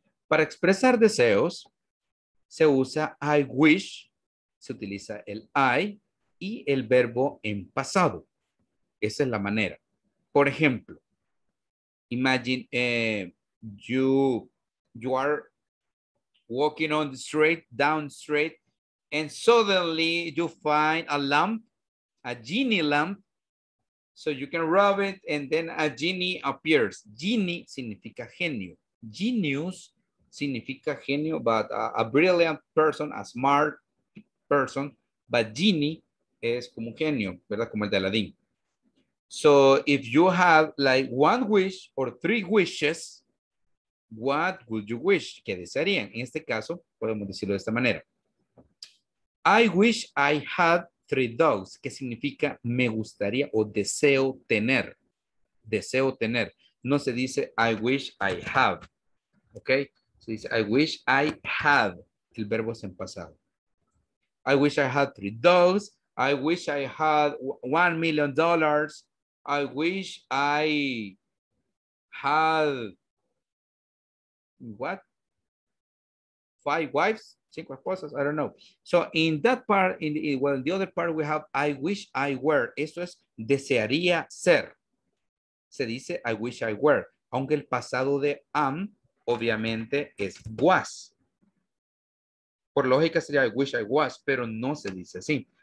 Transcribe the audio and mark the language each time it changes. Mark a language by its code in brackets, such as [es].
[es] Para expresar deseos, se usa I wish, se utiliza el I y el verbo en pasado. Esa es la manera. [en] Por ejemplo, imagine you are walking on the street, down the street, and suddenly you find a lamp, a genie lamp, so you can rub it, and then a genie appears. [es] Genie significa genio. Genius significa genio, [en] but a brilliant person, a smart person, but [es] genie es como genio, ¿verdad? Como el de Aladdin. [en] So if you have like one wish or three wishes, what would you wish? [es] ¿Qué desearían? En este caso, podemos decirlo de esta manera. [en] I wish I had three dogs. [es] ¿Qué significa me gustaría o deseo tener? Deseo tener. No se dice [en] I wish I have. [es] ¿Ok? Se dice [en] I wish I had. [es] El verbo es en pasado. [en] I wish I had three dogs. [es] I wish I had $1,000,000. I wish I had... What? Five wives? Cinco esposas? I don't know. [en] So in that part, in the other part we have, I wish I were. [es] Eso es desearía ser. Se dice, [en] I wish I were. [es] Aunque el pasado de am, obviamente, es was. Por lógica sería, [en] I wish I was, [es] pero no se dice así.